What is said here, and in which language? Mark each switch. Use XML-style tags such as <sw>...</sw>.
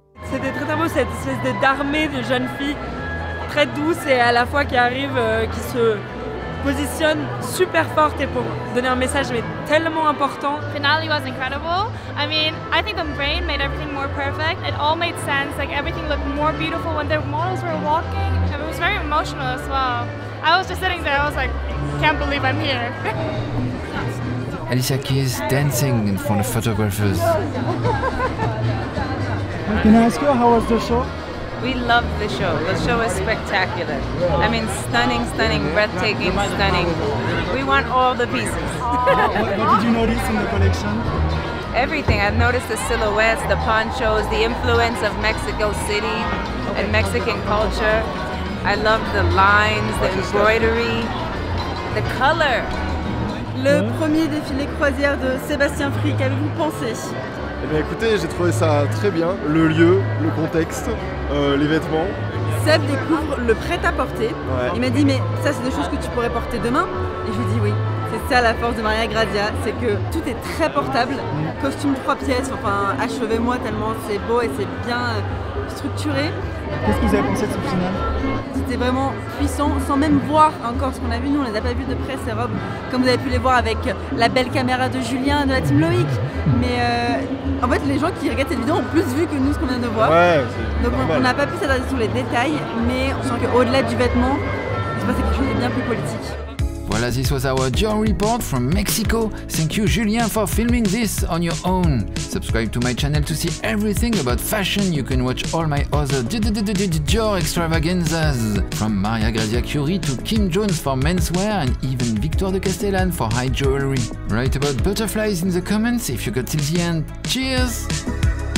<fr>C'était très beau, cette espèce d'armée de jeunes filles très douces et à la fois qui arrivent, qui se positionne super forte et pour donner un message mais tellement important.</fr> <en>The finale was incredible. I mean, I think the rain made everything more perfect. It all made sense. Like everything looked more beautiful when the models were walking. And it was very emotional as well. I was just sitting there. I was like, can't believe I'm here. Alicia Keys dancing in front of photographers. Can I ask you how was the show? We loved the show. The show is spectacular. I mean, stunning, stunning, breathtaking, stunning. We want all the pieces. What did you notice in the collection? Everything. I've noticed the silhouettes, the ponchos, the influence of Mexico City and Mexican culture. I love the lines, the embroidery, the color.</en> <fr>Le premier défilé croisière de Sébastien Fry, qu'avez-vous pensé? Eh bien écoutez, j'ai trouvé ça très bien, le lieu, le contexte, les vêtements. Seb découvre le prêt-à-porter. Ouais. Il m'a dit, mais ça c'est des choses que tu pourrais porter demain. Et je lui ai dit oui, c'est ça la force de Maria Grazia, c'est que tout est très portable. Costume trois pièces, enfin achevez-moi tellement c'est beau et c'est bien structuré. Qu'est-ce que vous avez pensé de ce final? C'était vraiment puissant, sans même voir encore ce qu'on a vu. Nous, on ne les a pas vus de près, ces robes, comme vous avez pu les voir avec la belle caméra de Julien et de la team Loic. Mais en fait, les gens qui regardent cette vidéo ont plus vu que nous ce qu'on vient de voir. Ouais, c'est donc on n'a pas pu s'attarder sur les détails, mais on sent qu'au-delà du vêtement, il se passe quelque chose de bien plus politique.</fr> <en>Voilà, this was our Dior report from Mexico. Thank you, Julien, for filming this on your own. Subscribe to my channel to see everything about fashion. You can watch all my other Dior extravaganzas. From Maria Grazia Chiuri to Kim Jones for menswear and even Victor de Castellan for high jewelry. Write about butterflies in the comments if you got till the end. Cheers!</en>